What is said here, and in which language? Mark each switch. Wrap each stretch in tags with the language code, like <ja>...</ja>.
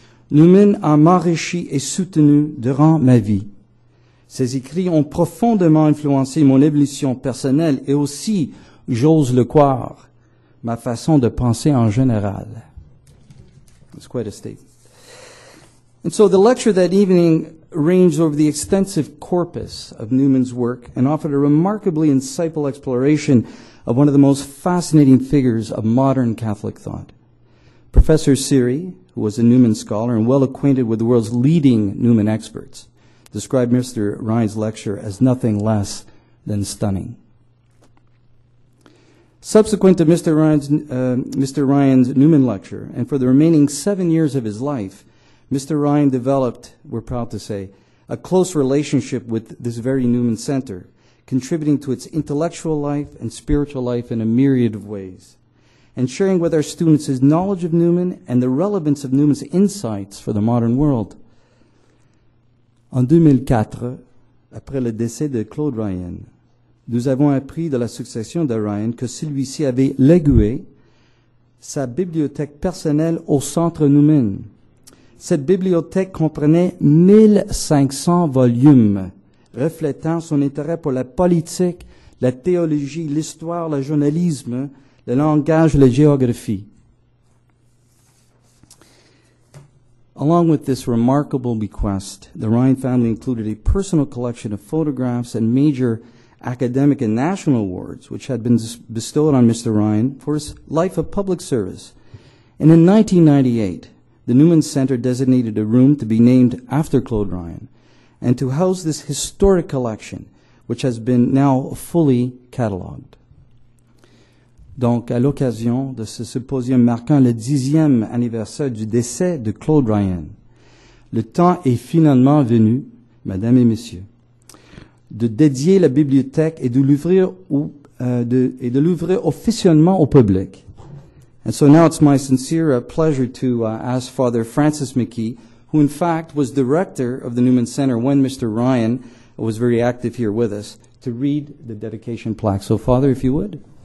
<fr>Newman a enrichi et soutenu durant ma vie. Ses écrits ont profondément influencé mon évolution personnelle et aussi, j'ose le croire, ma façon de penser en général."</fr> <en>That's quite a statement. And so the lecture that evening ranged over the extensive corpus of Newman's work and offered a remarkably insightful exploration of one of the most fascinating figures of modern Catholic thought. Professor Siri, who was a Newman scholar and well acquainted with the world's leading Newman experts, described Mr. Ryan's lecture as nothing less than stunning. Subsequent to Mr. Ryan's Newman lecture, and for the remaining 7 years of his life, Mr. Ryan developed, we're proud to say, a close relationship with this very Newman Center, contributing to its intellectual life and spiritual life in a myriad of ways, and sharing with our students his knowledge of Newman and the relevance of Newman's insights for the modern world.</en> <fr>En 2004, après le décès de Claude Ryan, nous avons appris de la succession de Ryan que celui-ci avait légué sa bibliothèque personnelle au centre Newman. Cette bibliothèque comprenait 1500 volumes, reflétant son intérêt pour la politique, la théologie, l'histoire, le journalisme, le langage, la géographie.</fr> <en>Along with this remarkable bequest, the Ryan family included a personal collection of photographs and major academic and national awards, which had been bestowed on Mr. Ryan for his life of public service. And in 1998, the Newman Center designated a room to be named after Claude Ryan, and to house this historic collection, which has been now fully catalogued.</en> <fr>Donc, à l'occasion de ce symposium marquant le 10e anniversaire du décès de Claude Ryan, le temps est finalement venu, mesdames et messieurs, de dédier la bibliothèque et de l'ouvrir officiellement au public.</fr> <en>And so now it's my sincere pleasure to ask Father Francis McKee, who in fact was director of the Newman Center when Mr. Ryan was very active here with us, to read the dedication plaque. So, Father, if you would.</en>